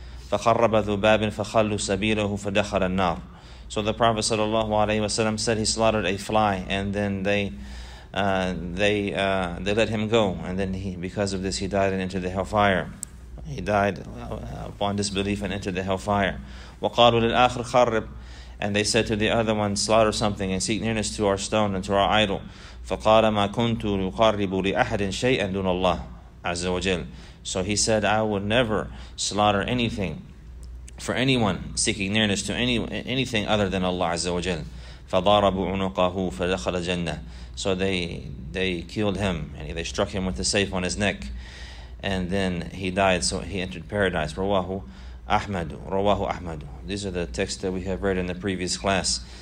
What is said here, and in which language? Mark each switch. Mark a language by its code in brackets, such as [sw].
[ar] فَقَرَّبَ ذُبَابٍ فَخَلُّ سَبِيلَهُ فَدَخَلَ النَّارِ, [en] so the Prophet sallallahu alayhi wa sallam said he slaughtered a fly, and then they let him go, and then he, because of this, he died and entered the hellfire. He died upon disbelief and entered the hellfire. [ar] وَقَالُوا لِلْآخِرِ خَرِّبْ, [en] and they said to the other one, slaughter something and seek nearness to our stone and to our idol. [ar] فَقَالَ مَا كُنْتُ يُقَرِّبُ لِأَحَدٍ شَيْئًا دُونَ اللَّهِ عَزَّ وَجَلَّ, [en] so he said, I would never slaughter anything for anyone seeking nearness to anything other than Allah Azza wa Jal. [ar] فَضَارَبُوا عُنُقَهُ فَدَخَلَ جَنَّةِ [en] So they killed him, and they struck him with a safe on his neck, and then he died, so he entered paradise. [ar] رَوَاهُ أَحْمَدُ رَوَاهُ أَحْمَدُ [en] These are the texts that we have read in the previous class.